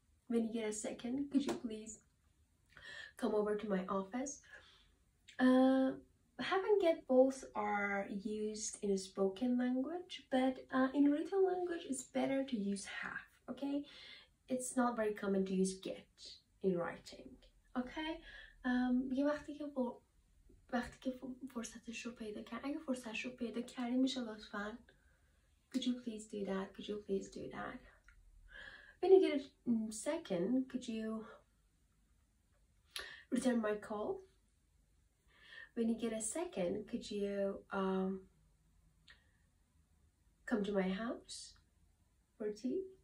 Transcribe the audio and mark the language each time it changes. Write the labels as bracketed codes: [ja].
[en] When you get a second, could you please come over to my office? Have and get both are used in a spoken language, but in written language, it's better to use have, okay? It's not very common to use get in writing, okay? [fa] یه وقتی که فرصتش رو پیدا کرد، اگه فرصتش رو پیدا کردی میشه لطفاً [en] Could you please do that? Could you please do that? When you get a second, could you return my call? When you get a second, could you come to my house for tea?